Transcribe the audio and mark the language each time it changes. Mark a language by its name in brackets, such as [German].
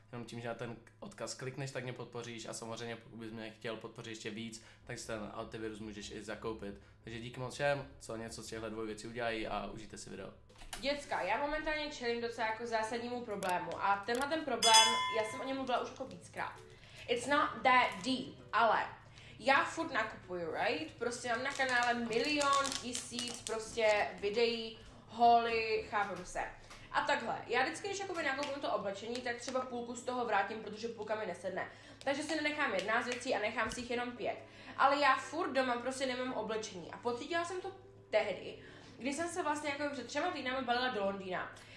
[Czech] Jenom tím, že na ten odkaz klikneš, tak mě podpoříš a samozřejmě pokud bys mě chtěl podpořit ještě víc, tak si ten antivirus můžeš i zakoupit. Takže díky moc všem, co něco z těchto dvou věcí udělají a užijte si video. Děcka, já momentálně čelím docela jako zásadnímu problému a tenhle ten problém, já jsem o něm mluvila už jako víckrát. [English] It's not that deep, [Czech] ale já furt nakupuju, [English] right? [Czech] Prostě mám na kanále milion tisíc prostě videí, holy, chápu se. A takhle, já vždycky, když jakoby nakoupím to oblečení, tak třeba půlku z toho vrátím, protože půlka mi nesedne. Takže si nenechám jedna z věcí a nechám si jich jenom pět. Ale já furt doma prostě nemám oblečení a pocítila jsem to tehdy, když jsem se vlastně jako před třema týdnama balila do Londýna.